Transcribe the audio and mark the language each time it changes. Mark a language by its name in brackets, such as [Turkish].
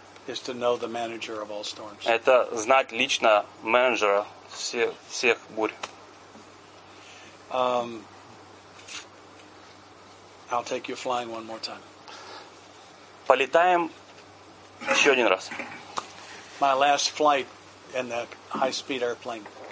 [English] is to know the manager of all storms. [Russian] Это знать лично менеджера всех бурь. [English] I'll take you flying one more time. [Russian] Полетаем еще один раз. [English] My last flight in that high-speed airplane.